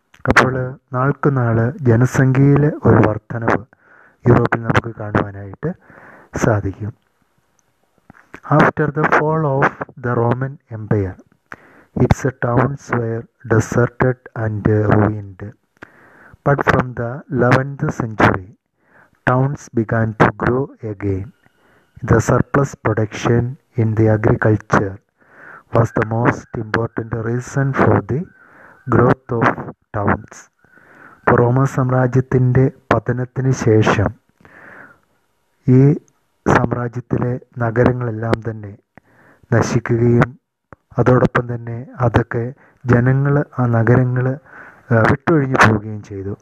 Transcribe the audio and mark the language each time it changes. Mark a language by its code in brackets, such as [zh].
[ml] അപ്പോൾ നാൾക്കുനാൾ ജനസംഖ്യയിൽ ഒരു വർധനവ് യൂറോപ്പിൽ നമുക്ക് കാണുവാനായിട്ട് സാധിക്കും. [en] After the fall of the Roman empire its a towns were deserted and ruined. But from the 11th century, towns began to grow again. The surplus production in the agriculture was the most important reason for the growth of towns. [ml] Roman സാമ്രാജ്യത്തിൻ്റെ പതനത്തിന് ശേഷം ഈ സാമ്രാജ്യത്തിലെ നഗരങ്ങളെല്ലാം തന്നെ നശിക്കുകയും അതോടൊപ്പം തന്നെ അതൊക്കെ ജനങ്ങൾ ആ നഗരങ്ങൾ വിട്ടൊഴിഞ്ഞു പോവുകയും ചെയ്തു.